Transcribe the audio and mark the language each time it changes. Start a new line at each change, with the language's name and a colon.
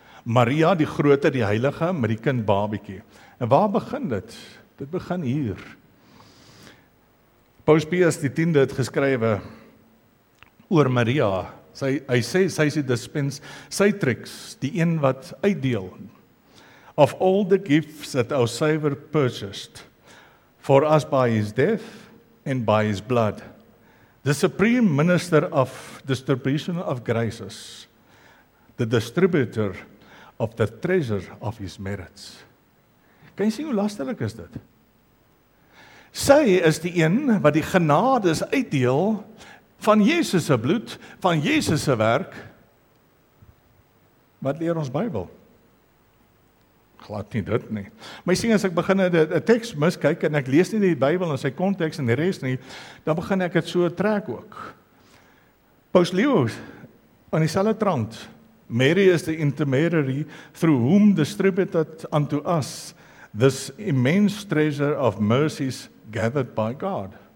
Afrikaans: Maria die grote, die heilige met die kind babietjie. En waar begin dit? Dit begin hier. Paulus Pius die 10de het geskrywe oor Maria. Hy sê sy is die dispens, sy tricks, die een wat uitdeel.
English: Of all the gifts that our Savior purchased for us by his death and by his blood. The supreme minister of distribution of graces. The distributor of the treasure of his merits.
Afrikaans: Kan jy sien hoe lasterlik is dit? Sy is die een wat die genades uitdeel van Jesus se bloed, van Jesus se werk. Wat leer ons Bybel? Glad nie dit nie. My sien as ek begin 'n teks miskyk en ek lees nie die Bybel in sy konteks en die res nie, dan begin ek dit so trek ook. Paulus Leo aan dieselfde trant.
English: Mary is the intermediary through whom distributed unto us this immense treasure of mercies gathered by God.